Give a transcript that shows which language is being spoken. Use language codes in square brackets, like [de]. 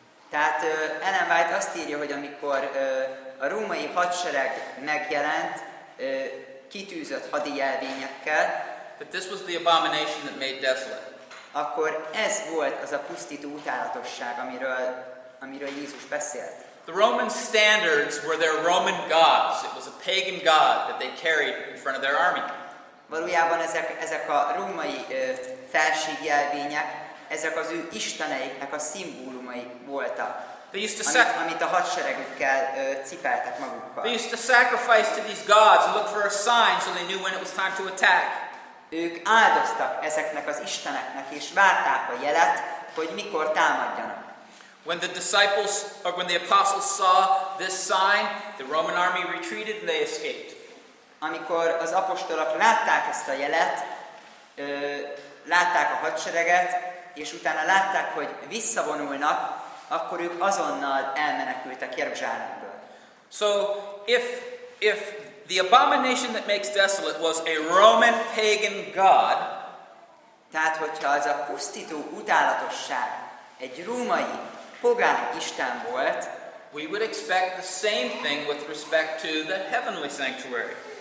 [hu] Tehát Ellen White azt írja, hogy amikor a római hadsereg megjelent kitűzött hadi jelvényekkel, [en] but this was the abomination that made desolate. [hu] Akkor ez volt az a pusztító utálatosság, amiről Jézus beszélt. [en] The Roman standards were their Roman gods. It was a pagan god that they carried in front of their army. [hu] Valójában ezek a római felségjelvények, ezek az ő isteneiknek a szimbólumai voltak. [en] They used to [hu] amit a hadseregükkel cipeltek magukkal. [en] They used to sacrifice to these gods and look for a sign so they knew when it was time to attack. [hu] Ők áldoztak ezeknek az isteneknek és várták a jelet, hogy mikor támadjanak. [en] When the disciples or when the apostles saw this sign, the Roman army retreated and they escaped. [hu] Amikor az apostolok látták ezt a jelet, látták a hadsereget, és utána látták, hogy visszavonulnak, akkor ők azonnal elmenekültek Jeruzsálemből. [en] So if the abomination that makes desolate was a Roman pagan god, [hu] tehát hogyha az a pusztító utálatosság egy római pogán isten volt, [en] we would expect the same thing with respect to the heavenly sanctuary.